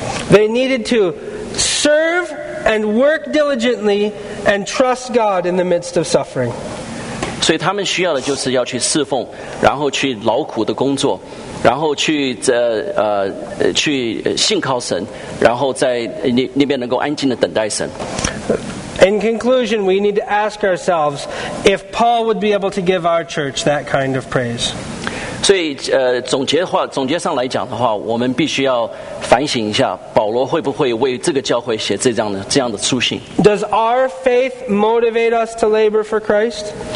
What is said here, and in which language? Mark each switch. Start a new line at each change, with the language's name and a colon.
English: They needed to serve and work diligently and trust God in the midst of suffering.
Chinese: 所以他们需要的就是要去侍奉，然后去劳苦的工作。然后去去信靠神，然后在那边能够安静的等待神。
English: In conclusion, we need to ask ourselves if Paul would be able to give our church that kind of praise.
Chinese: 所以总结上来讲的话，我们必须要反省一下，保罗会不会为这个教会写这样的书信。
English: Does our faith motivate us to labor for Christ?